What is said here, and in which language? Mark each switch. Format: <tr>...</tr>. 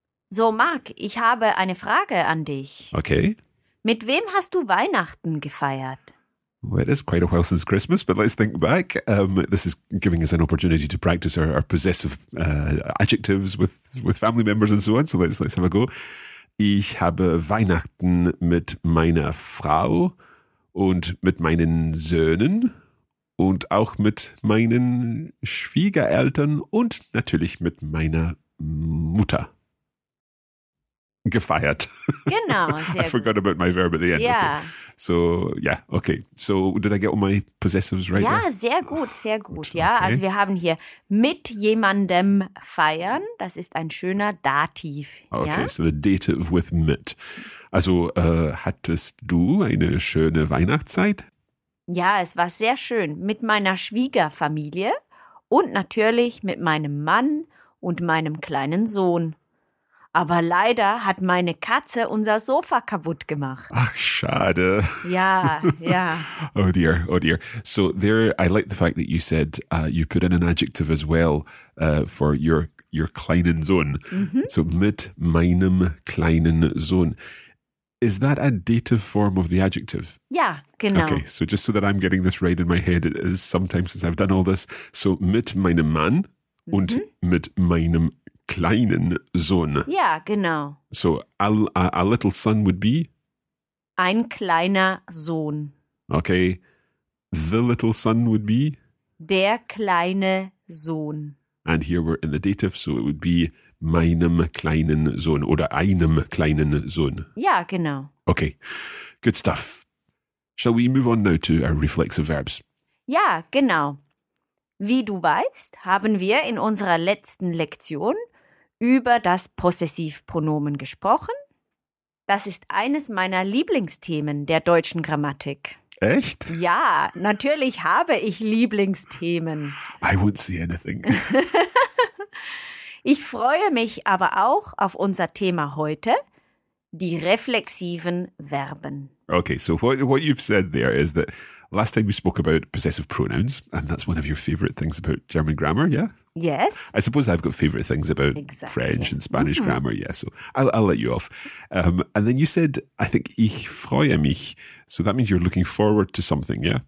<de>So, Marc, ich habe eine Frage an dich.</de> <en>Okay.</en> <de>Mit wem hast du Weihnachten gefeiert?</de> <en>Well, it is quite a while since Christmas, but let's think back. This is giving us an opportunity to practice our possessive adjectives with family members and so on. So let's have a go.</en> <de>Ich habe Weihnachten mit meiner Frau und mit meinen Söhnen und auch mit meinen Schwiegereltern und natürlich mit meiner Mutter. Gefeiert. Genau,</de> <en>sehr I forgot gut. About my verb at the end. Yeah. Okay. So, yeah, okay. So, did I get all my possessives right?</en> <de>Ja, there? Sehr gut, sehr gut. Okay. Ja, also wir haben hier mit jemandem feiern. Das ist ein schöner Dativ.</de> <en>Okay,</en> <de>ja?</de> <en>So the dative with mit.</en> <de>Also, hattest du eine schöne Weihnachtszeit? Ja, es war sehr schön. Mit meiner Schwiegerfamilie und natürlich mit meinem Mann und meinem kleinen Sohn. Aber leider hat meine Katze unser Sofa kaputt gemacht. Ach, schade. Ja, ja.</de> <en>Oh dear, oh dear. So there, I like the fact that you said you put in an adjective as well for your</en> <de>kleinen Sohn. Mm-hmm. So mit meinem kleinen Sohn.</de> <en>Is that a dative form of the adjective?</en> <de>Ja, genau.</de> <en>Okay, so just so that I'm getting this right in my head, it is sometimes since I've done all this.</en> <de>So mit meinem Mann und mm-hmm. mit meinem kleinen Sohn. Ja, genau.</de> <en>So, a little son would be?</en> <de>Ein kleiner Sohn.</de> <en>Okay. The little son would be?</en> <de>Der kleine Sohn.</de> <en>And here we're in the dative, so it would be</en> <de>meinem kleinen Sohn oder einem kleinen Sohn. Ja, genau. Okay. Good stuff.</de> <en>Shall we move on now to our reflexive verbs?</en> <de>Ja, genau. Wie du weißt, haben wir in unserer letzten Lektion über das Possessivpronomen gesprochen. Das ist eines meiner Lieblingsthemen der deutschen Grammatik. Echt? Ja, natürlich habe ich Lieblingsthemen.</de> <en>I won't see anything.</en> <de>Ich freue mich aber auch auf unser Thema heute, die reflexiven Verben.</de> <en>Okay, so what you've said there is that last time we spoke about possessive pronouns, and that's one of your favourite things about German grammar, yeah? Yes. I suppose I've got favourite things about French and Spanish grammar, yeah, so I'll let you off. And then you said, I think,</en> <de>ich freue mich.</de> <en>So that means you're looking forward to something, yeah?</en>